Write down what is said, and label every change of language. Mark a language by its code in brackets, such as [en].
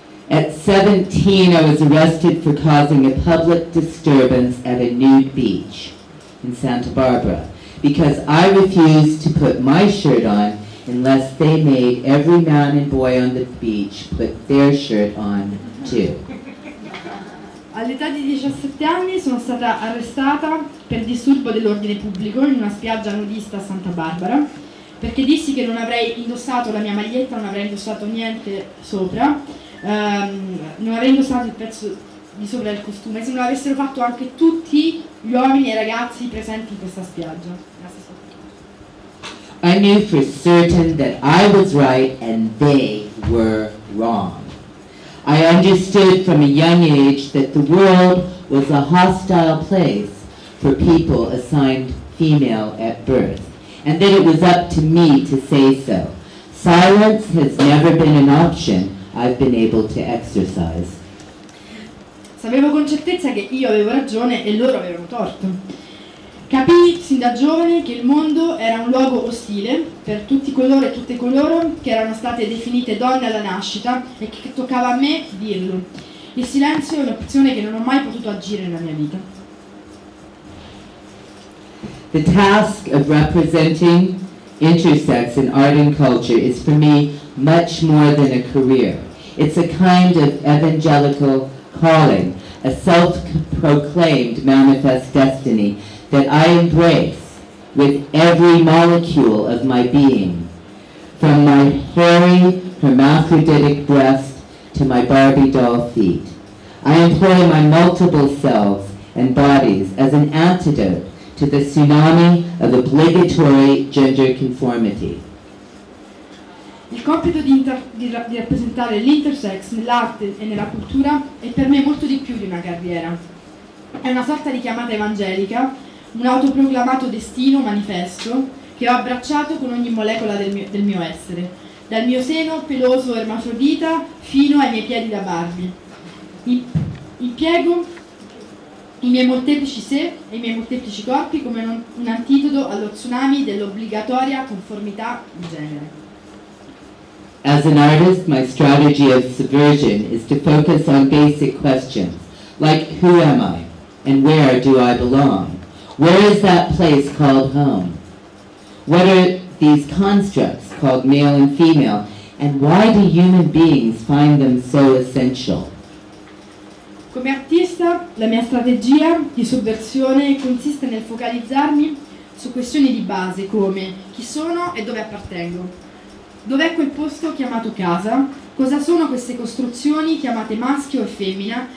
[en] At 17 I was arrested for causing a public disturbance at a nude beach in Santa Barbara because I refused to put my shirt on unless they made every man and boy on the beach put their shirt on too. [it] All'età di 17 anni sono stata arrestata per disturbo dell'ordine pubblico in una spiaggia nudista a Santa Barbara perché dissi che non avrei indossato la mia maglietta, non avrei indossato niente sopra, non avrei indossato il pezzo di sopra del costume, se non l'avessero fatto anche tutti gli uomini e i ragazzi presenti in questa spiaggia. [en] I knew for certain that I was right and they were wrong. I understood from a young age that the world was a hostile place for people assigned female at birth, and that it was up to me to say so. Silence has never been an option I've been able to exercise. [it] Sapevo con certezza che io avevo ragione e loro avevano torto. Capii sin da giovane che il mondo era un luogo ostile per tutti coloro e tutte coloro che erano state definite donne alla nascita e che toccava a me dirlo. Il silenzio è un'opzione che non ho mai potuto agire nella mia vita. [en] The task of representing intersex in art and culture is for me much more than a career. It's a kind of evangelical calling, a self-proclaimed manifest destiny that I embrace with every molecule of my being, from my hairy, hermaphroditic breast to my Barbie doll feet. I employ my multiple selves and bodies as an antidote to the tsunami of obligatory gender conformity. [it] Il compito di rappresentare l'intersex nell'arte e nella cultura è per me molto di più di una carriera. È una sorta di chiamata evangelica, un autoproclamato destino manifesto che ho abbracciato con ogni molecola del mio essere, dal mio seno peloso ermafrodita fino ai miei piedi da Barbie. Impiego i miei molteplici sé e i miei molteplici corpi come un antidoto allo tsunami dell'obbligatoria conformità di genere. [en] As an artist, my strategy of subversion is to focus on basic questions like who am I and where do I belong? Where is that place called home? What are these constructs called male and female? And why do human beings find them so essential? [it] Come artista, la mia strategia di subversione consiste nel focalizzarmi su questioni di base come chi sono e dove appartengo. Dov'è quel posto chiamato casa? Cosa sono queste costruzioni chiamate maschio e femmina?